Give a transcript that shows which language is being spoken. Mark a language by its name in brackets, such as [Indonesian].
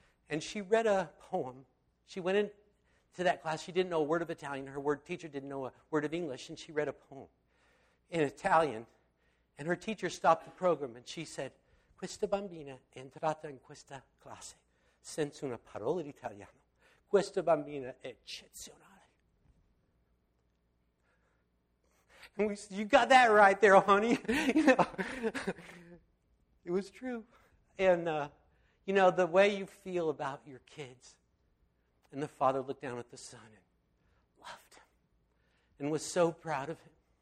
[English] And she read a poem. She went into that class. She didn't know a word of Italian. Her teacher didn't know a word of English. And she read a poem in Italian. And her teacher stopped the program and she said, [Italian] "Questa bambina è entrata in questa classe senza una parola d'italiano. Questa bambina è eccezionale." [English] And we said, "You got that right there, honey." You know, it was true. And, you know, the way you feel about your kids. And the Father looked down at the Son and loved him and was so proud of him.